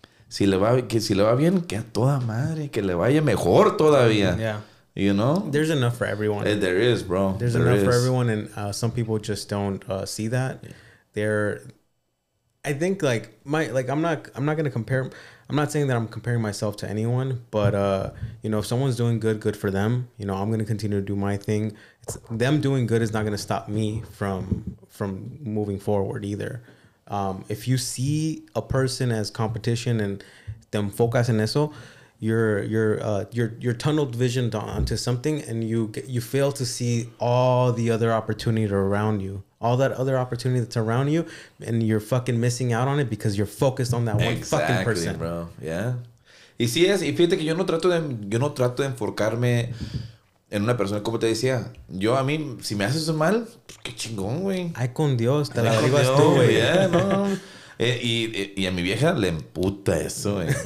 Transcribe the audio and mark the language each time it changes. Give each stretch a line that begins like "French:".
Spanish: si le va, que si le va bien, que a toda madre, que le vaya mejor todavía.
English: Yeah. You know? There's enough for everyone. There is, bro. There's there enough is. For everyone, and some people just don't see that. They're... I think, like, my, like, I'm not going to compare, I'm not saying that I'm comparing myself to anyone, but, you know, if someone's doing good, good for them. You know, I'm going to continue to do my thing. It's, them doing good is not going to stop me from moving forward either. If you see a person as competition and them focus
Spanish: en eso,
English: your tunneled vision onto something, and you fail to see all the other opportunities around you. All that other opportunity that's around you, and you're fucking missing out on it because you're focused on that one exactly, fucking person. Bro.
Spanish: Yeah. Y si es, y fíjate que yo no trato de enfocarme en una persona, como te decía. Yo a mí, si me haces mal, qué chingón, güey. Ay, con Dios, te la arribas tú, güey. Yeah, no. Y a mi vieja le emputa eso, güey.